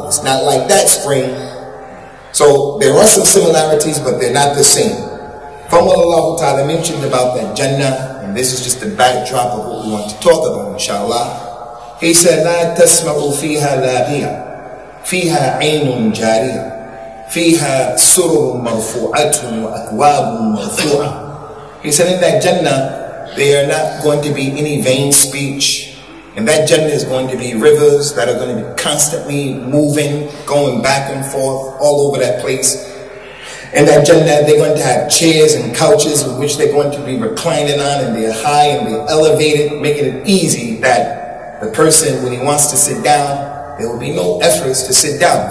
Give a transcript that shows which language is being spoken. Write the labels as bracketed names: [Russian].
[English] It's not like that spring. So there are some similarities, but they're not the same. From what Allah Ta'ala mentioned about that Jannah, and this is just the backdrop of what we want to talk about, inshallah. He said, [Arabic] لا تسمع فيها لاغية فيها عين جارية فيها سرر مرفوعة وأكواب مرفوعة. [English] He said, in that Jannah, there are not going to be any vain speech. And that Jannah is going to be rivers that are going to be constantly moving, going back and forth all over that place. And that Jannah, they're going to have chairs and couches with which they're going to be reclining on, and they're high and they're elevated, making it easy that the person, when he wants to sit down, there will be no efforts to sit down.